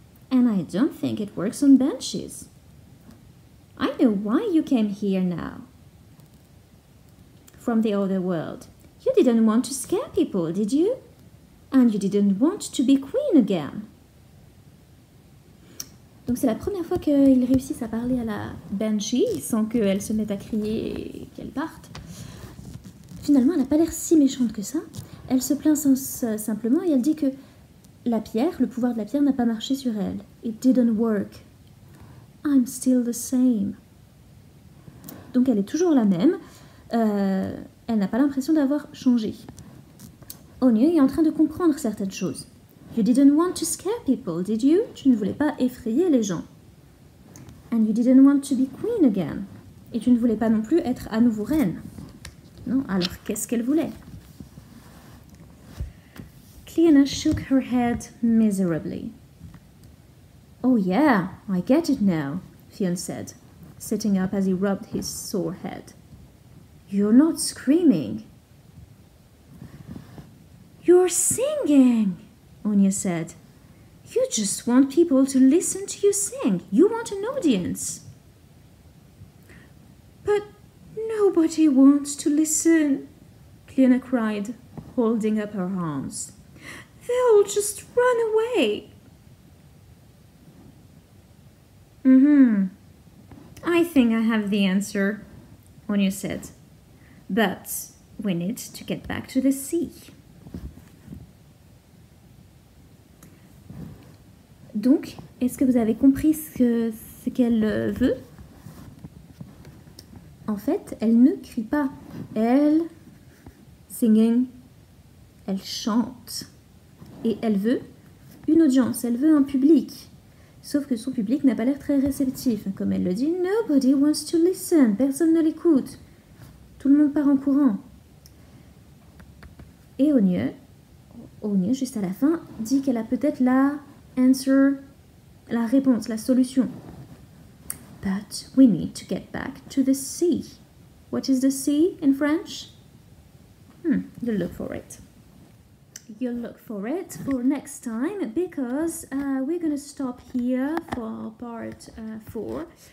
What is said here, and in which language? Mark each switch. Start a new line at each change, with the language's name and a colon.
English: And I don't think it works on banshees. I know why you came here now. From the other world. You didn't want to scare people, did you? And you didn't want to be queen again.
French: Donc c'est la première fois qu'ils réussissent à parler à la banshee sans qu'elle se mette à crier et qu'elle parte. Finalement, elle n'a pas l'air si méchante que ça. Elle se plaint simplement et elle dit que la pierre, le pouvoir de la pierre, n'a pas marché sur elle.
English: It didn't work. I'm still the same.
French: Donc elle est toujours la même. Elle n'a pas l'impression d'avoir changé. Onya est en train de comprendre certaines choses.
English: You didn't want to scare people, did you?
French: Tu ne voulais pas effrayer les gens.
English: And you didn't want to be queen again.
French: Et tu ne voulais pas non plus être à nouveau reine. Non, alors qu'est-ce qu'elle voulait?
English: Cleona shook her head miserably. Oh yeah, I get it now, Fionn said, sitting up as he rubbed his sore head. You're not screaming. You're singing, Onya said. You just want people to listen to you sing. You want an audience. But nobody wants to listen, Cleona cried, holding up her arms. They'll just run away. I think I have the answer, Onya said. But win it to get back to the sea.
French: Donc, est-ce que vous avez compris ce qu'elle veut? En fait, elle ne crie pas. Elle, singing, elle chante. Et elle veut une audience, elle veut un public. Sauf que son public n'a pas l'air très réceptif. Comme elle le dit,
English: nobody wants to listen,
French: personne ne l'écoute. Tout le monde part en courant. Et Onye, juste à la fin, dit qu'elle a peut-être la answer, la réponse, la solution.
English: But we need to get back to the sea. What is the sea in French? You'll look for it. You'll look for it for next time because we're going to stop here for part 4.